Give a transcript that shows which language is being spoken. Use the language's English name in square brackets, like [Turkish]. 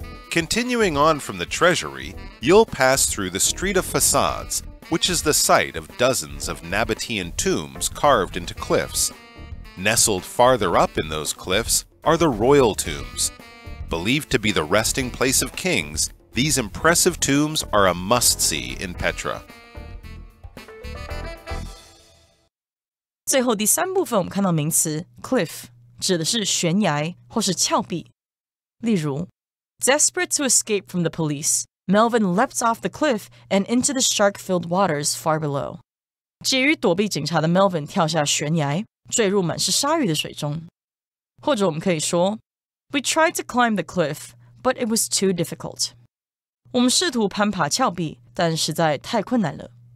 [English] Continuing on from the treasury, you'll pass through the Street of Facades, which is the site of dozens of Nabataean tombs carved into cliffs. Nestled farther up in those cliffs are the royal tombs. Believed to be the resting place of kings, these impressive tombs are a must-see in Petra. [Chinese] 最后第三部分我们看到名词 cliff 指的是悬崖或是峭壁。例如 [English] Desperate to escape from the police, Melvin leapt off the cliff and into the shark-filled waters far below. [Chinese] 急于躲避警察的 Melvin 跳下悬崖坠入满是鲨鱼的水中。或者我们可以说 [English] We tried to climb the cliff, but it was too difficult. [Chinese] 我们试图攀爬峭壁但实在太困难了。